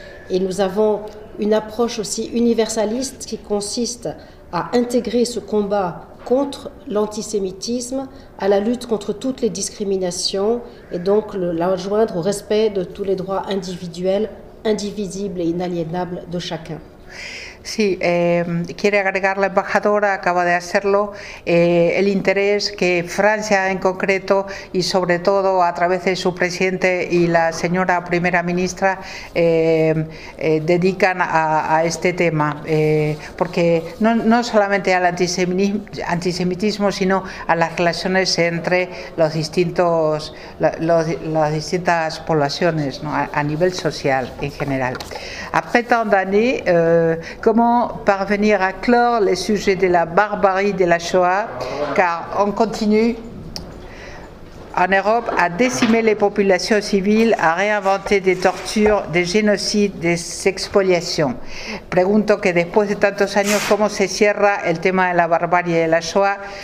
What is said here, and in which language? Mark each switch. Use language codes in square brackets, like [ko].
[fr] Et nous avons une approche aussi universaliste qui consiste à intégrer ce combat contre l'antisémitisme à la lutte contre toutes les discriminations et donc la joindre au respect de tous les droits individuels, indivisibles et inaliénables de chacun. [es] Sí, quiere agregar la embajadora, acaba de hacerlo, el interés que Francia en concreto y sobre todo a través de su presidente y la señora primera ministra dedican a este tema, porque no solamente al antisemitismo, sino a las relaciones entre las distintas poblaciones, ¿no? A nivel social en general. [fr] Après tant d'années, comment parvenir à clore les sujets de la barbarie de la Shoah, car on continue en Europe à décimer les populations civiles, à réinventer des tortures, des génocides, des expoliations. [es] Pregunto que después de tantos años, ¿cómo se cierra el tema de la barbarie de la Shoah?